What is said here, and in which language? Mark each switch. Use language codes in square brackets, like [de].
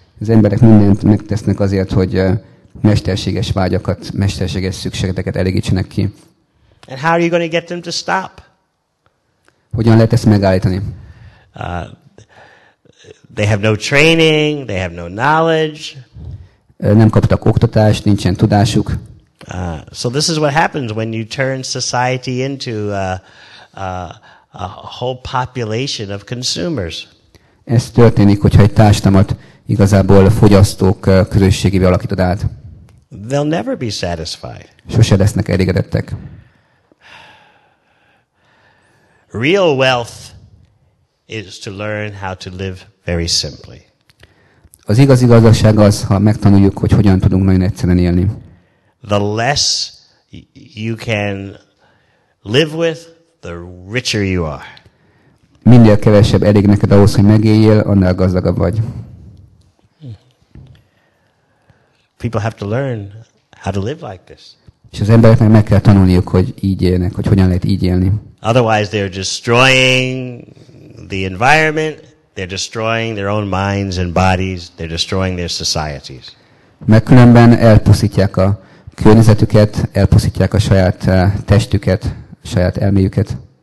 [hu] Az emberek mindent megtesznek azért, hogy mesterséges vágyakat, mesterséges szükségeket elégítsenek ki. [en] And how are you going to get them to stop? [hu] Hogyan lehet ezt megállítani? [en] They have no training, they have no knowledge. [hu] Nem kaptak oktatást, nincsen tudásuk. [en] So this is what happens when you turn society into a whole population of consumers. [hu] Ez történik, hogyha egy társadalmat igazából fogyasztók közösségévé alakítod át. [en] They'll never be satisfied. [hu] Sose lesznek elégedettek. [en] Real wealth is to learn how to live very simply. [hu] Az igazi gazdagság az, ha megtanuljuk, hogy hogyan tudunk nagyon egyszerűen élni. [en] The less you can live with, the richer you are. [hu] Minél kevesebb elég neked ahhoz, hogy megéljél, annál gazdagabb vagy. [en] People have to learn how to live like this. [hu] És az embereknek meg kell tanulniuk, hogy így élnek, hogy hogyan lehet így élni. [en] Otherwise they're destroying the environment, they're destroying their own minds and bodies, they're destroying their societies. [hu] Mert különben elpusztítják a környezetüket, elpusztítják a saját testüket, saját elméjüket.